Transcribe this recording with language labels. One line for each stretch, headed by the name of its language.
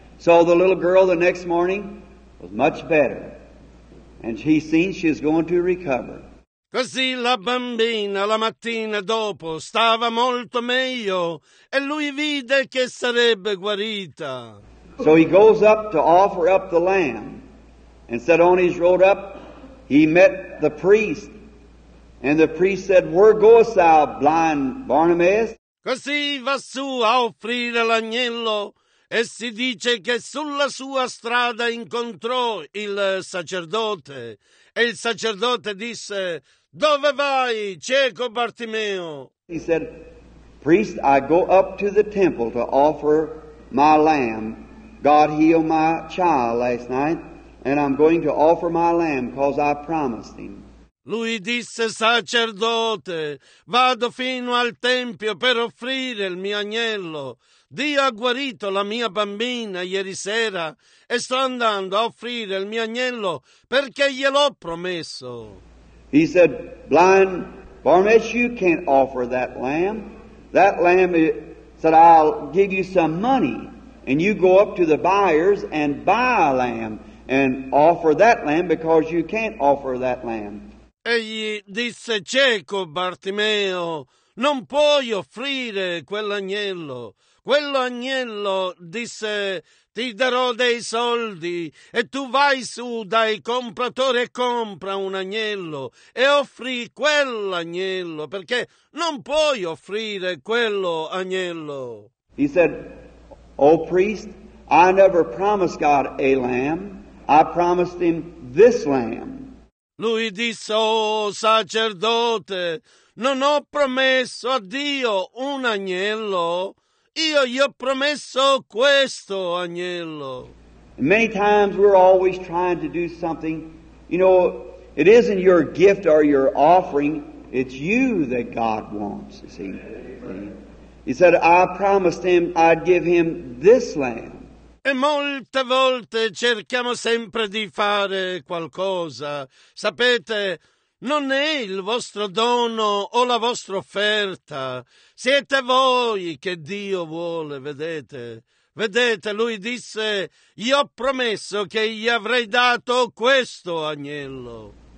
English: So the little girl the next morning was much better, and she seems she is going to recover.
Italian: Così la bambina la mattina dopo stava molto meglio, e lui vide che sarebbe guarita.
English: So he goes up to offer up the lamb, and said on his road up, he met the priest. And the priest said, where goest thou, blind Barnabas?
Italian: Così va su a offrire l'agnello, e si dice che sulla sua strada incontrò il sacerdote. E il sacerdote disse, dove vai, cieco Bartimeo?
English: He said, priest, I go up to the temple to offer my lamb. God healed my child last night, and I'm going to offer my lamb because I promised him.
Italian: Lui disse, sacerdote, vado fino al tempio per offrire il mio agnello. Dio ha guarito la mia bambina ieri sera e sto andando a offrire il mio agnello perché gliel'ho promesso.
English: He said, blind Barnabas, you can't offer that lamb. That lamb said, I'll give you some money and you go up to the buyers and buy a lamb and offer that lamb because you can't offer that lamb.
Italian: Egli disse, cieco Bartimeo, non puoi offrire quell'agnello. Quell'agnello, disse, ti darò dei soldi e tu vai su dai compratori e compra un agnello e offri quell'agnello perché non puoi offrire quello agnello.
English: He said, O priest, I never promised God a lamb. I promised him this lamb.
Italian: Lui disse, oh sacerdote, non ho promesso a Dio un agnello, io gli ho promesso questo agnello.
English: Many times we're always trying to do something, you know, it isn't your gift or your offering, it's you that God wants, you see. He said, I promised him I'd give him this land.
Italian: E molte volte cerchiamo sempre di fare qualcosa. Sapete, non è il vostro dono o la vostra offerta. Siete voi che Dio vuole, vedete. Vedete, lui disse, io ho promesso che gli avrei dato questo agnello.